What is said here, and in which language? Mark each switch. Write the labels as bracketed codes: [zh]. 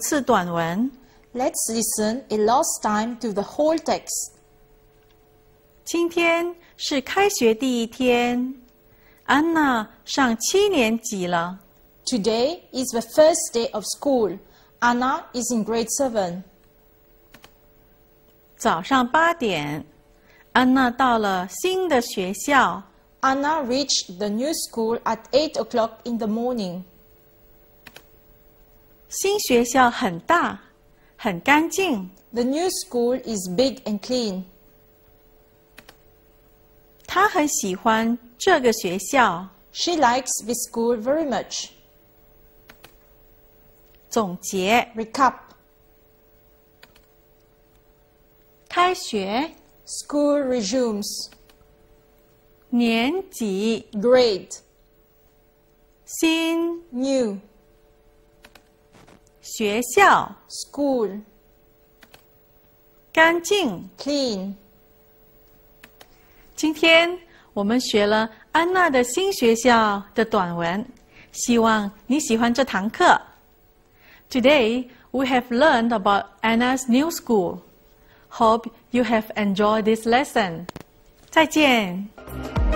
[zh] 请听最后一次短文。 [en] Let's listen a last time to the whole text. [zh] 今天是开学第一天, 安娜上七年级了。 [en] Today is the first day of school. Anna is in grade 7. [zh] 早上八点，安娜到了新的学校。 [en] Anna reached the new school at 8 o'clock in the morning. [zh] 新学校很大，很干净。 [en] The new school is big and clean. [zh] 她很喜欢这个学校。 [en] She likes this school very much. [zh] 总结。 [en] Recap. [zh] 开学。 [en] School resumes. [zh] 年级 [en] grade [zh] 新 [en] new [zh] 学校 [en] school [zh] 干净 [en] clean [zh] 今天我们学了安娜的新学校的短文，希望你喜欢这堂课。 [en] Today we have learned about Anna's new school. Hope you have enjoyed this lesson. [zh] 再见。